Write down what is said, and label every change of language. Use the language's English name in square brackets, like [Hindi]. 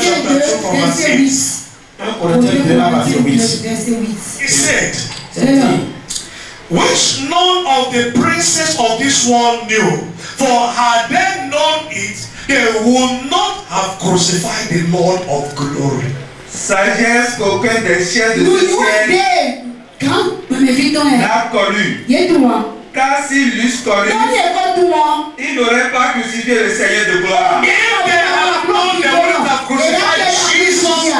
[English] chapter 2, from verse 8. 1 Corinthians 2, verse 8. He said. Which none of the princes of this world knew, for had they known it, they would not have crucified the Lord of glory. [French] Sagesse qu'aucun des chiens de ce ciel n'a connu. Car s'ils l'eussent connu, ils n'auraient pas crucifié le Seigneur de gloire. [English] If they had known, they wouldn't have crucified Jesus.